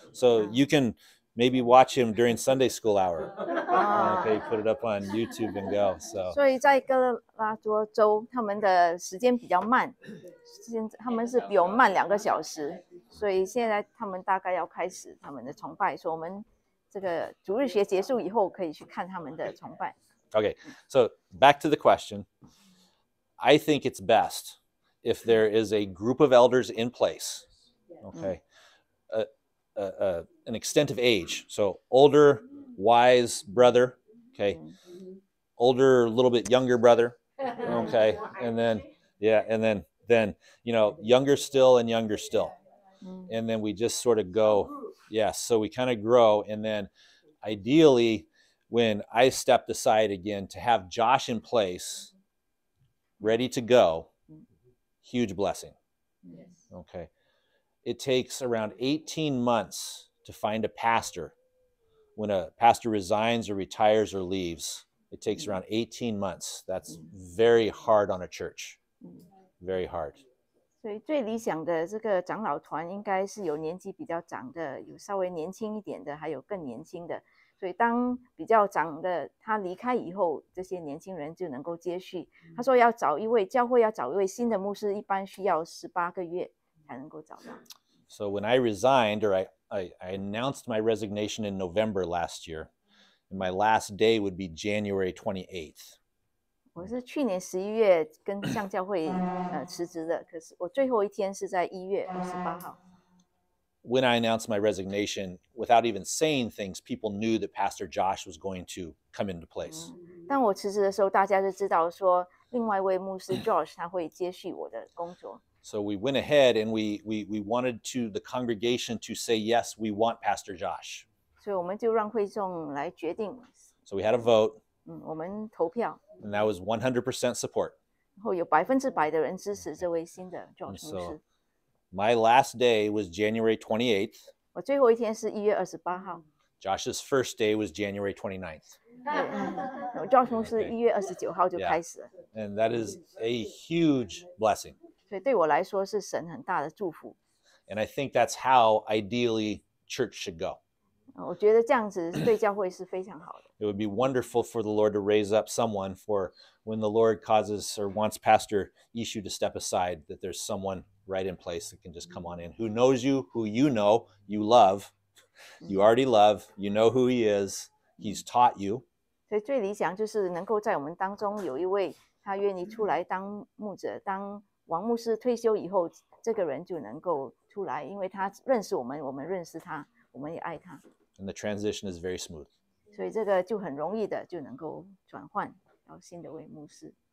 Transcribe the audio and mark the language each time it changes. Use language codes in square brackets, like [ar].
[en] So you can maybe watch him during Sunday school hour. Okay, put it up on YouTube and go. So, [zh] 所以在哥拉多州，他们的时间比较慢，他们是比我们慢两个小时，所以现在他们大概要开始他们的崇拜，所以我们这个主日学结束以后可以去看他们的崇拜。 [en] Okay, so back to the question. I think it's best if there is a group of elders in place. Okay. An extent of age, so older, wise brother, okay, older, a little bit younger brother, okay, and then, yeah, and then, you know, younger still and younger still, and then we just sort of go, yeah, so we kind of grow, and then ideally, when I step aside again to have Josh in place, ready to go, huge blessing, okay. It takes around 18 months to find a pastor. When a pastor resigns or retires or leaves, it takes around 18 months. That's very hard on a church. Very hard. [zh] 所以最理想的这个长老团应该是有年纪比较长的，有稍微年轻一点的，还有更年轻的。所以当比较长的他离开以后，这些年轻人就能够接续。他说要找一位教会要找一位新的牧师，一般需要18个月才能够找到。 [en] So when I resigned, or I announced my resignation in November last year, and my last day would be January 28th. [zh] 我是去年11月跟向教会辞职的，可是我最后一天是在1月28号。 [en] When I announced my resignation, without even saying things, people knew that Pastor Josh was going to come into place. [zh] 当我辞职的时候，大家就知道说另外一位牧师 Josh 他会接续我的工作。 [en] So we went ahead and we wanted to the congregation to say yes, we want Pastor Josh. [zh] 所以我们就让会众来决定。 [en] So we had a vote. [zh] 我们投票。 [en] And that was 100% support. [zh] 然后有100%的人支持这位新的 Josh 牧师。 [en] My last day was January 28th. [zh] 我最后一天是1月28号。 [en] Josh's first day was January 29th. [zh] Josh 牧师1月29号就开始了。 [en] And that is a huge blessing. [zh] 所以对我来说是神很大的祝福。 [en] And I think that's how ideally church should go. [zh] 我觉得这样子对教会是非常好的。 [en] It would be wonderful for the Lord to raise up someone for when the Lord causes or wants Pastor Ishu to step aside, that there's someone right in place that can just come on in. Who knows you, who you know, you love, you already love, you know who he is, he's taught you. [zh] 所以最理想就是能够在我们当中有一位他愿意出来当牧者，当王牧师退休以后，这个人就能够出来，因为他认识我们，我们认识他，我们也爱他。 [en] And the transition is very smooth. [zh] 所以这个就很容易的就能够转换到新的位牧师。